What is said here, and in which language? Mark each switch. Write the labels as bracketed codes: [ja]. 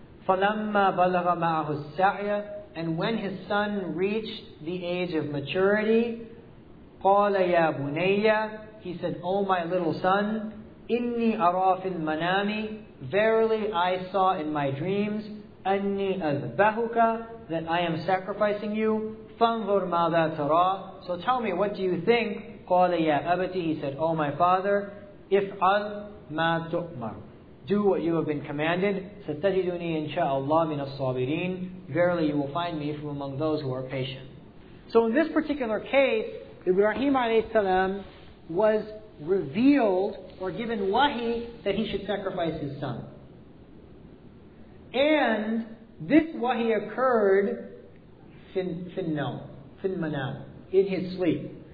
[ar] فَلَمَّا بَلَغَ مَعَهُ السَّعْيَ [en] And when his son reached the age of maturity, [ar] قَالَ يَا بُنَيَّ [en] He said, O my little son, [ar] إِنِّي أَرَى فِي الْمَنَامِ [en] Verily I saw in my dreams, [ar] أَنِّي أَذْبَهُكَ [en] That I am sacrificing you, [ar] فَانْظُرْ مَاذَا تَرَى [en] So tell me, what do you think? [ar] قَالَ يَا أَبَتِ [en] He said, O my father, [ar] إِفْعَلْ مَا تُؤْمَرْ [en] Do what you have been commanded. [ar] ستجدني إن شاء الله من الصابرين. [en] Verily you will find me from among those who are patient. So in this particular case, Ibrahim a.s. was revealed or given wahi that he should sacrifice his son. And this wahi occurred fin manam, in his sleep.